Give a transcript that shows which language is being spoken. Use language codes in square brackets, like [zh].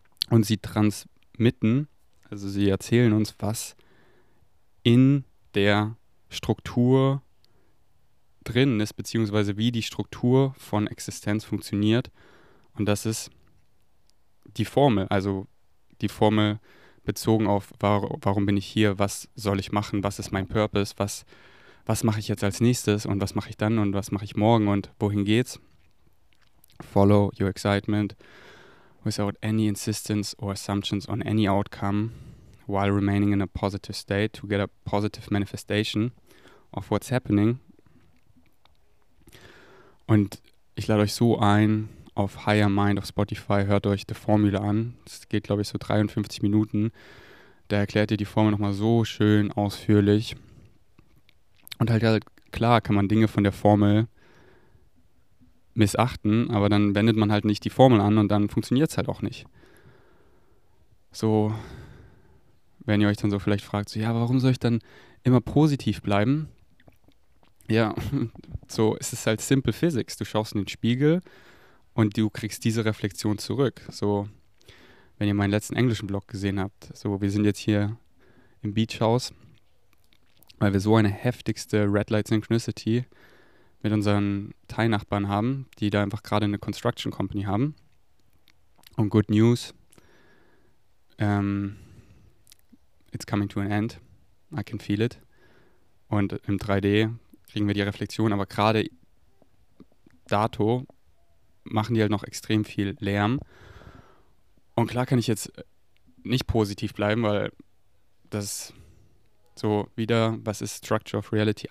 [de] Und sie transmitten, also sie erzählen uns, was in der Struktur drin ist, beziehungsweise wie die Struktur von Existenz funktioniert. Und das ist die Formel, also die Formel bezogen auf, warum bin ich hier, was soll ich machen, was ist mein Purpose, was mache ich jetzt als nächstes und was mache ich dann und was mache ich morgen und wohin geht's? [en] Follow your excitement without any insistence or assumptions on any outcome while remaining in a positive state to get a positive manifestation of what's happening. [de] Und ich lade euch so ein, auf Higher Mind auf Spotify, hört euch die Formel an. Das geht, glaube ich, so 53 Minuten. Da erklärt ihr die Formel nochmal so schön ausführlich. Und halt klar kann man Dinge von der Formel missachten, aber dann wendet man halt nicht die Formel an und dann funktioniert es halt auch nicht. So, wenn ihr euch dann so vielleicht fragt, so, ja, warum soll ich dann immer positiv bleiben? Ja, so ist es halt [en] simple physics. [de] Du schaust in den Spiegel und du kriegst diese Reflexion zurück. So, wenn ihr meinen letzten englischen Blog gesehen habt, so, wir sind jetzt hier im Beach House, weil wir so eine heftigste Red Light Synchronicity mit unseren Thai-Nachbarn haben, die da einfach gerade eine Construction Company haben. [en] Und good news, it's coming to an end. I can feel it. [de] Und im 3D kriegen wir die Reflexion, aber gerade dato machen die halt noch extrem viel Lärm. Und klar kann ich jetzt nicht positiv bleiben, weil das so wieder, was ist Structure of Reality?